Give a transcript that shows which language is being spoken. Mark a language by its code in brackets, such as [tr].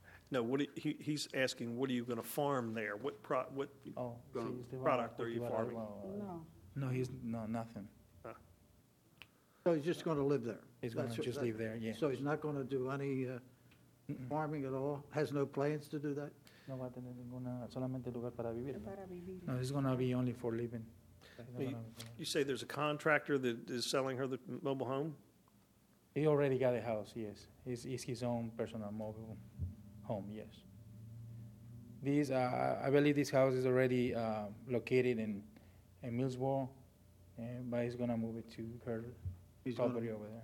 [en] No, he's asking, what are you going to farm there? What product are you farming? No, he's no nothing. So he's just going to live there? He's going to just live there, yeah. So he's not going to do any farming at all? Has no plans to do that? [es] No va a tener ninguna, solamente lugar para vivir. Para vivir. [en] No, it's going to be only for living. You say there's a contractor that is selling her the mobile home? He already got a house, yes. It's his own personal mobile home, yes. I believe this house is already located in Millsboro, but he's going to move it to her property over there.